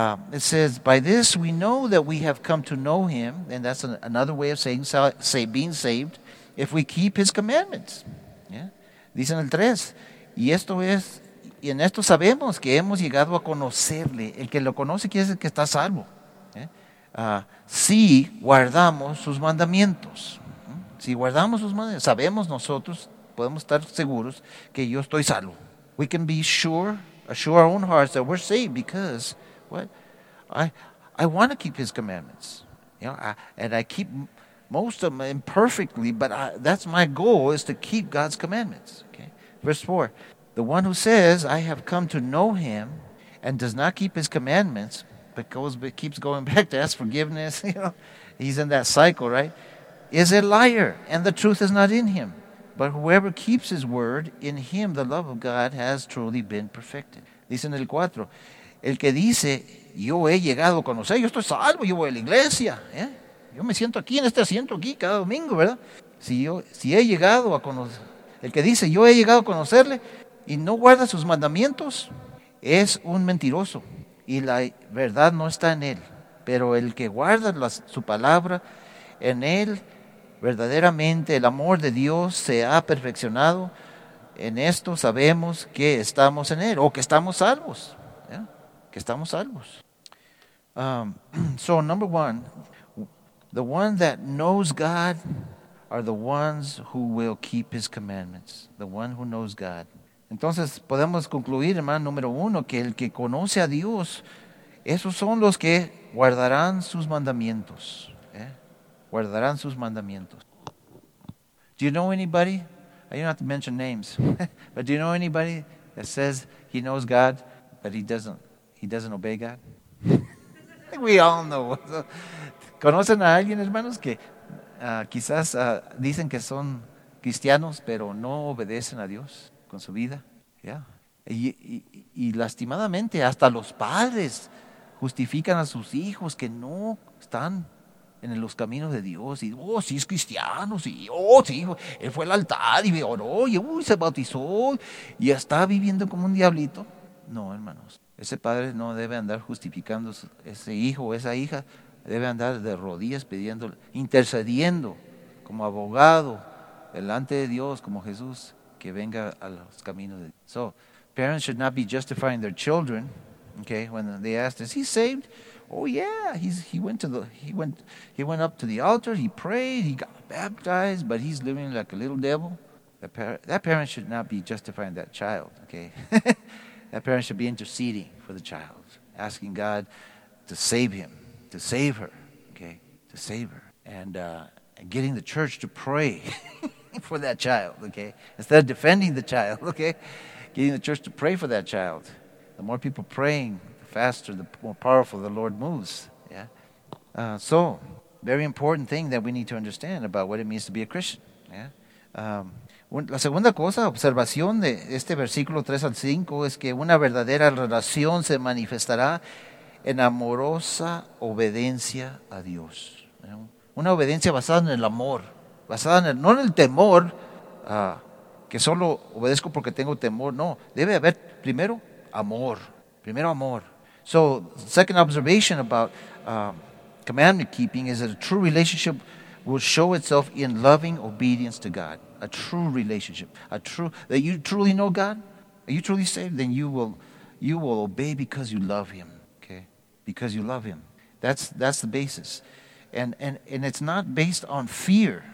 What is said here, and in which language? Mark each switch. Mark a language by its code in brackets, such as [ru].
[en] It says, by this we know that we have come to know him, and that's another way of saying being saved, if we keep his commandments. Yeah. [es] Dice en el 3, y esto es, y en esto sabemos que hemos llegado a conocerle. El que lo conoce quiere decir que está salvo. Yeah. Si guardamos sus mandamientos. Si guardamos sus mandamientos, sabemos nosotros, podemos estar seguros que yo estoy salvo. [en] We can be sure, assure our own hearts that we're saved because what? I want to keep his commandments. You know, I keep most of them imperfectly, but that's my goal, is to keep God's commandments. Okay. Verse 4. The one who says, I have come to know him, and does not keep his commandments, but keeps going back to ask forgiveness, you know, he's in that cycle, right? Is a liar, and the truth is not in him. But whoever keeps his word, in him the love of God has truly been perfected. [es] Dice en el 4. El que dice, yo he llegado a conocer, yo estoy salvo, yo voy a la iglesia. ¿Eh? Yo me siento aquí, en este asiento aquí, cada domingo, ¿verdad? Si he llegado a conocer, el que dice, yo he llegado a conocerle, y no guarda sus mandamientos, es un mentiroso. Y la verdad no está en él. Pero el que guarda su palabra, en él, verdaderamente el amor de Dios se ha perfeccionado. En esto sabemos que estamos en él, o que estamos salvos. Que estamos salvos. [en] So number one, the one that knows God are the ones who will keep his commandments. The one who knows God. [es] Entonces podemos concluir, hermano, número uno, que el que conoce a Dios, esos son los que guardarán sus mandamientos. ¿Eh? Guardarán sus mandamientos. [en] Do you know anybody? I don't have to mention names. But do you know anybody that says he knows God, but he doesn't? He doesn't obey God. We all know. [es] ¿Conocen a alguien, hermanos, que quizás dicen que son cristianos, pero no obedecen a Dios con su vida? Yeah. Y lastimadamente, hasta los padres justifican a sus hijos que no están en los caminos de Dios. Y, oh, sí es cristiano, sí, oh, sí. Él fue al altar y oró y se bautizó y está viviendo como un diablito. No, hermanos. Ese padre no debe andar justificando ese hijo o esa hija, debe andar de rodillas pidiendo, intercediendo como abogado delante de Dios, como Jesús, que venga a los caminos de Dios. [en] So, parents should not be justifying their children, okay, when they ask, is he saved? Oh yeah, he went up to the altar, he prayed, he got baptized, but he's living like a little devil. That parent should not be justifying that child, okay? That parent should be interceding for the child, asking God to save him, to save her, okay, to save her. And getting the church to pray for that child, okay, instead of defending the child, okay, getting the church to pray for that child. The more people praying, the faster, the more powerful the Lord moves, yeah. So, very important thing that we need to understand about what it means to be a Christian, yeah. [es] La segunda cosa, observación de este versículo 3 al 5, es que una verdadera relación se manifestará en amorosa obediencia a Dios. Una obediencia basada en el amor, basada en no en el temor, que solo obedezco porque tengo temor. No, debe haber primero amor, primero amor. [en] So, second observation about commandment keeping is that a true relationship will show itself in loving obedience to God. A true relationship, that you truly know God, are you truly saved? Then you will obey because you love Him. Okay, because you love Him, that's the basis, and it's not based on fear.